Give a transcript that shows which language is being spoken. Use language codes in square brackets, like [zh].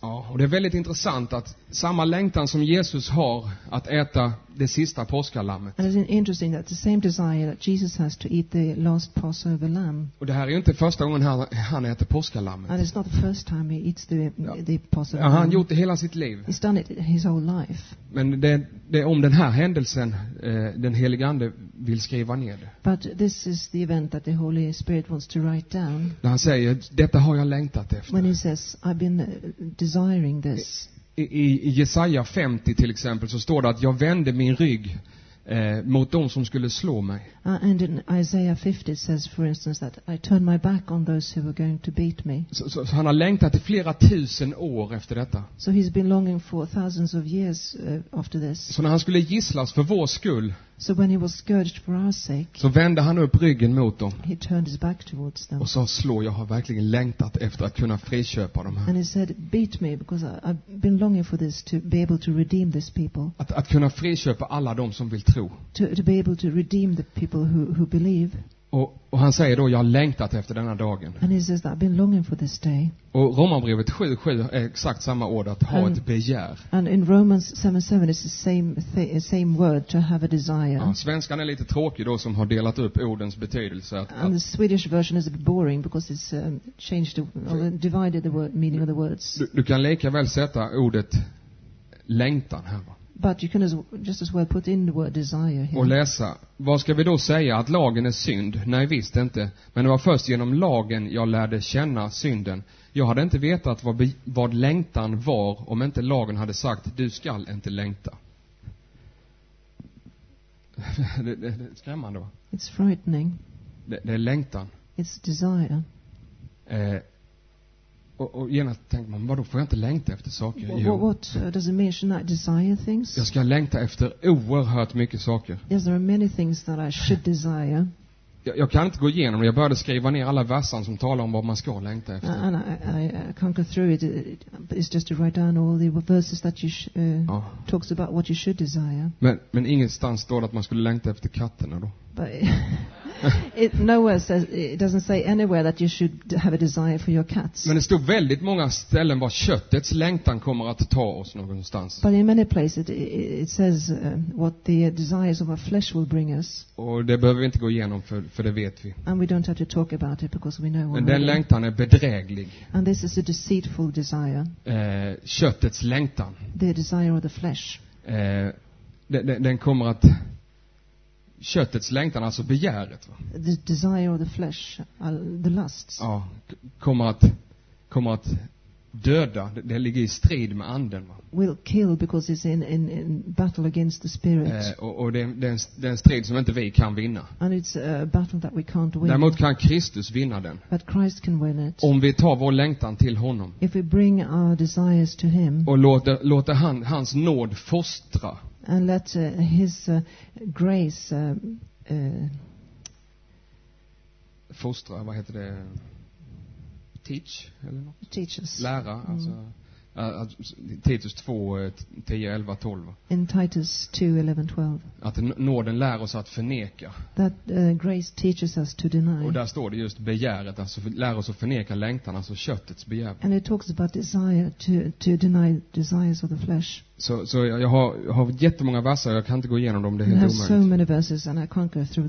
[sv] Ja, och det är väldigt intressant att samma längtan som Jesus har att äta det sista påskalammet. [en] And it's interesting that the same desire that Jesus has to eat the last Passover lamb. [sv] Och det här är ju inte första gången han äter påskalammet. [en] And it's not the first time he eats the Passover. [sv] Ja, han har gjort det hela sitt liv. [en] He's done it his whole life. [sv] Men det är om den här händelsen den helige ande vill skriva ner det. [en] But this is the event that the Holy Spirit wants to write down. [sv] När han säger, detta har jag längtat efter. [en] When he says, I've been desiring this. [sv] I Jesaja 50 till exempel så står det att jag vände min rygg mot dem som skulle slå mig. [en] And in Isaiah 50 says for instance that I turned my back on those who were going to beat me. [sv] Så han har längtat i flera tusen år efter detta. [en] So he's been longing for thousands of years after this. [sv] Så när han skulle gisslas för vår skull. [en] So when he was scourged for our sake. [sv] Så vände han upp ryggen mot dem. [en] He turned his back towards them. [sv] Och sa, slå, jag har verkligen längtat efter att kunna friköpa dem här. [en] And he said, beat me because I've been longing for this to be able to redeem this people. [sv] Att kunna friköpa alla de som vill tro. [en] To be able to redeem the people who believe. [sv] Och han säger då, jag har längtat efter denna dagen. [en] And he says that I've been longing for this day. [sv] Och Romarbrevet 7:7 är exakt samma ord, att ha ett begär. [en] And in Romans 7:7 is the same word, to have a desire. [sv] Ja, svenskan är lite tråkig då, som har delat upp ordens betydelse. [en] And the Swedish version is a bit boring because it's changed or divided the word, meaning of the words. [sv] Du kan lika väl sätta ordet längtan här, va? [en] But you can just as well put in the word desire here. [sv] Och läsa. Vad ska vi då säga, att lagen är synd? Nej, visst inte. Men det var först genom lagen jag lärde känna synden. Jag hade inte vetat vad längtan var om inte lagen hade sagt, du skall inte längta. Det är skrämmande, va? [en] It's frightening. [sv] Det är längtan. [en] It's desire. [sv] Och genast tänker man, vadå, får jag inte längta efter saker? [en] What does it mean, should I desire things? [sv] Jag ska längta efter oerhört mycket saker. [en] Yes, there are many things that I should desire. [sv] Jag kan inte gå igenom, jag började skriva ner alla versen som talar om vad man ska längta efter. [en] And I can't go through it, it's just to write down all the verses that you talks about what you should desire. [sv] Men ingenstans står det att man skulle längta efter katterna då. [en] It nowhere says, it doesn't say anywhere that you should have a desire for your cats. [sv] Men det står väldigt många ställen var köttets längtan kommer att ta oss någonstans. [en] But in many places it says what the desires of our flesh will bring us. [sv] Och det behöver vi inte gå igenom, för det vet vi. [en] And we don't have to talk about it because we know. [sv] Men den längtan är bedräglig. [en] And this is a deceitful desire. [sv] Köttets längtan. [en] The desire of the flesh. [sv] Den kommer att, köttets längtan, alltså begäret, va? [en] The desire of the flesh, the lusts. [sv] Ja, kommer att döda. Det ligger i strid med anden, va? [en] Will kill because it's in battle against the spirit. [sv] Och det är en strid som inte vi kan vinna. [en] And it's a battle that we can't win. [sv] Däremot kan Kristus vinna den. [en] But Christ can win it. [sv] Om vi tar vår längtan till honom. [en] If we bring our desires to him. [sv] Och låter hans nåd fostra. [en] And let his grace [sv] fostra, vad heter det, teach eller något, [en] teaches, [sv] lära, alltså Titus 2:10-12, [en] in Titus 2:11-12, [sv] att nåden lär oss att förneka, [en] that grace teaches us to deny, [sv] och där står det just begäret, alltså lär oss att förneka längtan, alltså köttets begär. [en] And it talks about desire to deny desires of the flesh. [sv] Så jag har jättemånga verser, jag kan inte gå igenom dem, det är helt